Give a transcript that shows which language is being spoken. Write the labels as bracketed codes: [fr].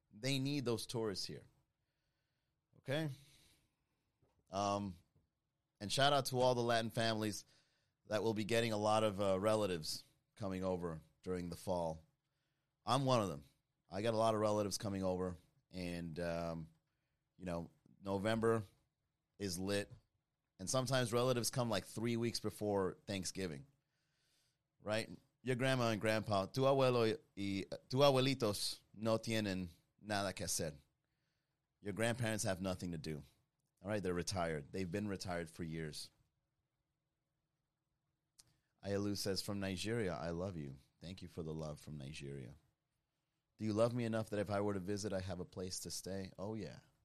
[en] They need those tourists here, okay? And shout out to all the Latin families that will be getting a lot of relatives coming over during the fall. I'm one of them. I got a lot of relatives coming over. And, you know, November is lit. And sometimes relatives come like 3 weeks before Thanksgiving. Right? Your grandma and grandpa, [es] tu abuelo y tu abuelitos no tienen nada que hacer. [en] Your grandparents have nothing to do. All right? They're retired. They've been retired for years. Ayalu says, from Nigeria, I love you. Thank you for the love from Nigeria. Do you love me enough that if I were to visit, I have a place to stay? Oh, yeah.